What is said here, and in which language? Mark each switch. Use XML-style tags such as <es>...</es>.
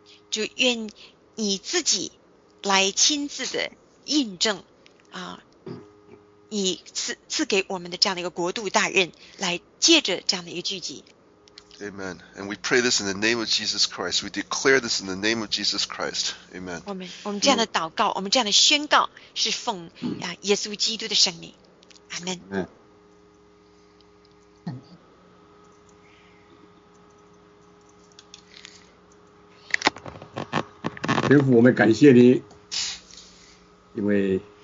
<zh>就愿你自己来亲自的印证啊。你赐给我们的这样的一个国度大任，来借着这样的一个聚集。</zh> <en>Amen. And we pray this in the name of Jesus Christ. We declare this in the name of Jesus Christ. Amen.</en> <zh>我们这样的祷告，我们这样的宣告，是奉啊耶稣基督的圣名。</zh> <en>Amen.</en> <zh>Amen. 天父，我们感谢你，因为。</zh>